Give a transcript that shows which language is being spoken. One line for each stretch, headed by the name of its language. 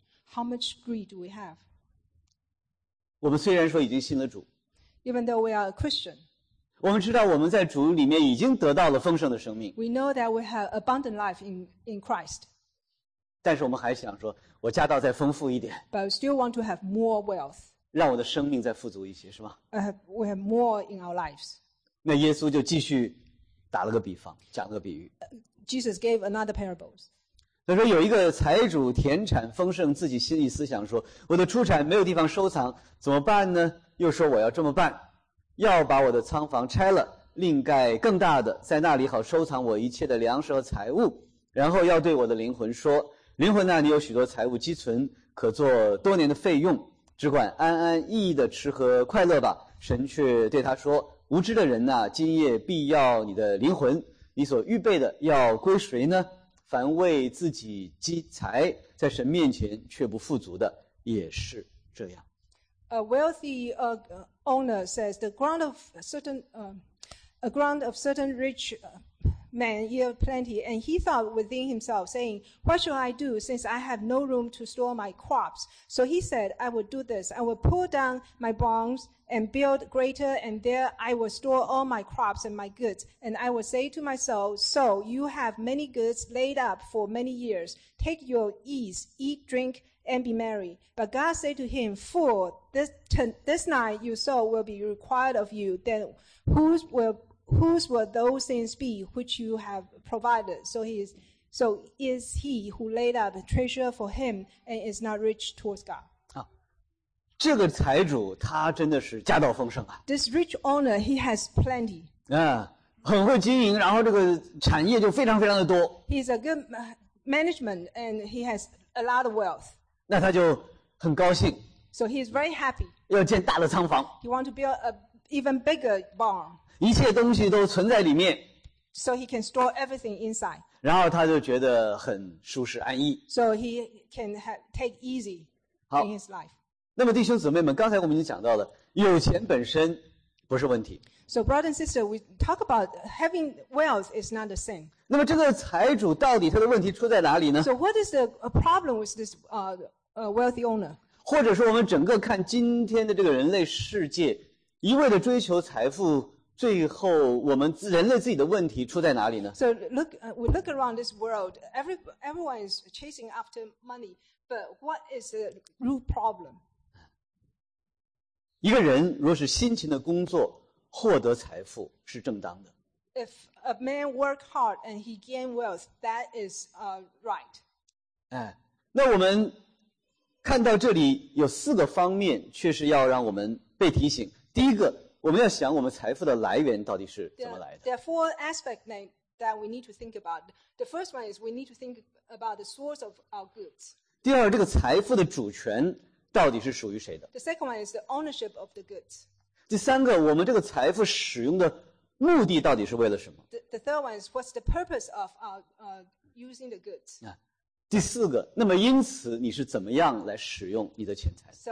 English: ？How much greed do we have?
Chinese: 我们虽然说已经信了主
English: ，Even though we are a Christian,
Chinese: 我们知道我们在主里面已经得到了丰盛的生命。
English: We know that we have abundant life in Christ.
Chinese: 但是我们还想说，我家道再丰富一点。
English: But we still want to have more wealth.
Chinese: 让我的生命再富足一些，是吗
English: ？We have more in our lives.
Chinese: 那耶稣就继续打了个比方，讲了个比喻。
English: Jesus gave another parables.
Chinese: 他说有一个财主田产丰盛，自己心里思想说：“我的出产没有地方收藏，怎么办呢？” 又说：“我要这么办，要把我的仓房拆了，另盖更大的，在那里好收藏我一切的粮食和财物。然后要对我的灵魂说：‘灵魂那里有许多财物积存，可做多年的费用，只管安安逸逸的吃喝快乐吧。’ 神却对他说：‘无知的人呐、啊，今夜必要你的灵魂。’” 你所预备的要归谁呢？凡为自己积财，在神面前却不富足的，也是这样。
English: A wealthy owner says the ground of certain rich man yield plenty, and he thought within himself, saying, "What shall I do, since I have no room to store my crops?" So he said, "I will do this. I will pull down my barns and build greater, and there I will store all my crops and my goods. And I will say to myself, 'So you have many goods laid up for many years. Take your ease, eat, drink, and be merry.' But God said to him, 'Fool, this night your soul will be required of you. Then whose will those things be which you have provided?'" So is he who laid out the treasure for him and is not rich towards God.
Chinese: 啊，这个财主他真的是家道丰盛啊。
English: This rich owner, he has plenty.
Chinese: 啊，很会经营，然后这个产业就非常非常的多。
English: He's a good management and he has a lot of wealth.
Chinese: 那他就很高兴。
English: So he's very happy.
Chinese: 要建大的仓房。
English: He wants to build an even bigger barn.
Chinese: 一切东西都存在里面。
English: So he can store everything inside.
Chinese: 然后他就觉得很舒适安逸。
English: So he can take easy in his life.
Chinese: 那么弟兄姊妹们，刚才我们已经讲到了，有钱本身不是问题。
English: So brother and sister, we talk about having wealth is not a sin.
Chinese: 那么这个财主到底他的问题出在哪里呢？
English: So what is the problem with this wealthy owner?
Chinese: 或者说我们整个看今天的这个人类世界，一味的追求财富，最后我们人类自己的问题出在哪里呢？
English: So look, we look around this world, everyone is chasing after money, but what is the root problem?
Chinese: 一个人若是辛勤的工作获得财富是正当的。
English: If a man work hard and he gain wealth, that is right.
Chinese: 哎，那我们看到这里有四个方面确实要让我们被提醒。第一个，我们要想我们财富的来源到底是怎么来的。
English: There are four aspects that we need to think about. The first one is we need to think about the source of our goods.
Chinese: 第二，这个财富的主权到底是属于谁的。
English: The second one is the ownership of the goods.
Chinese: 第三个，我们这个财富使用的目的到底是为了什么。
English: The third one is what's the purpose of our using the goods.
Chinese: 第四个，那么因此你是怎么样来使用你的钱财。